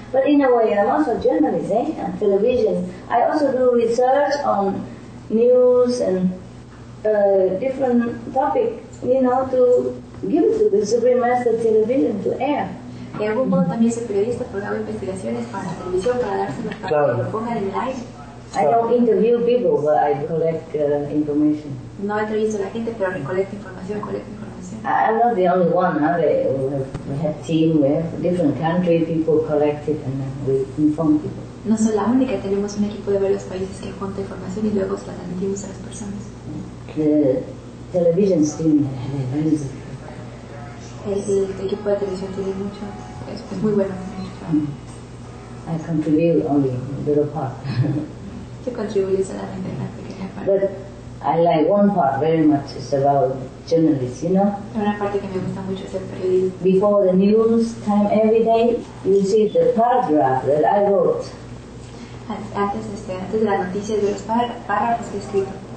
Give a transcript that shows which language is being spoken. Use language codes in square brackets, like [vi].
[en] But in a way, I'm also a journalist, eh? On television. I also do research on news and different topics, you know, to give to the Supreme Master Television to air. [es] De algún modo también soy periodista, pero hago investigaciones para la televisión, para dárselo para claro. Que lo pongan en live. [en] I don't interview people, but I collect information. [es] No entrevisto a la gente, pero recolecto información, colecto información. [en] I'm not the only one, are they? We have team, we have different country people collected, and then we inform people. [es] No soy la única, tenemos un equipo de varios países que junta información y luego se la transmitimos a las personas. [en] The television team has [es] El equipo de televisión tiene mucho, es muy bueno. [en] I contribute only a little part. [es] Yo contribuyo solamente en la pequeña parte. [en] But I like one part very much, it's about journalists, you know? [es] Una parte que me gusta mucho es el periodismo. [en] Before the news time every day, you see the paragraph that I wrote. [es] Antes de la noticia de los párrafos que he escrito.